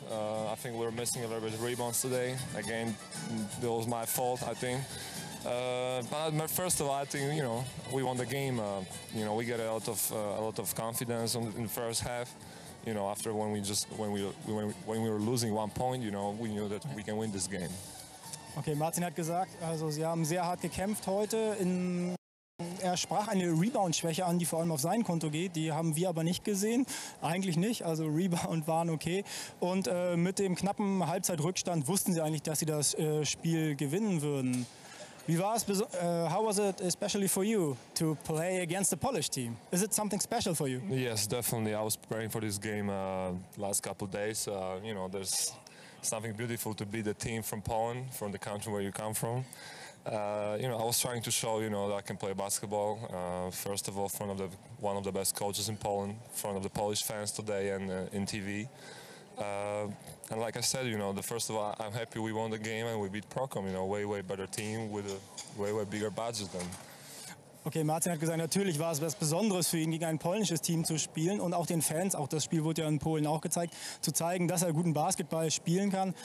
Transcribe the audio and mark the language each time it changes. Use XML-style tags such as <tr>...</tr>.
<en>I think we were missing a little bit of rebounds today. Again, that was my fault, I think. But first of all, I think, you know, we won the game. You know, we get a lot of confidence in the first half. You know, after when we were losing one point, you know, we knew that we can win this game.</en> <de>Okay, Martin hat gesagt, also sie haben sehr hart gekämpft heute. Er sprach eine Rebound-Schwäche an, die vor allem auf sein Konto geht. Die haben wir aber nicht gesehen. Eigentlich nicht. Also Rebound waren okay. Und mit dem knappen Halbzeitrückstand wussten sie eigentlich, dass sie das Spiel gewinnen würden. Wie war es?</de> <en>How was it especially for you to play against the Polish team? Is it something special for you? Yes, definitely. I was preparing for this game last couple days. You know, there's something beautiful to be the team from Poland, from the country where you come from. You know, I was trying to show, you know, that I can play basketball. First of all, in front of one of the best coaches in Poland, in front of the Polish fans today and in TV. And like I said, you know, I'm happy we won the game and we beat PROKOM, you know, way, way better team with a way, way bigger budget than.</en> <de>Okay, Martin hat gesagt, natürlich war es was Besonderes für ihn, gegen ein polnisches Team zu spielen und auch den Fans, auch das Spiel wurde ja in Polen auch gezeigt, zu zeigen, dass er guten Basketball spielen kann.</de>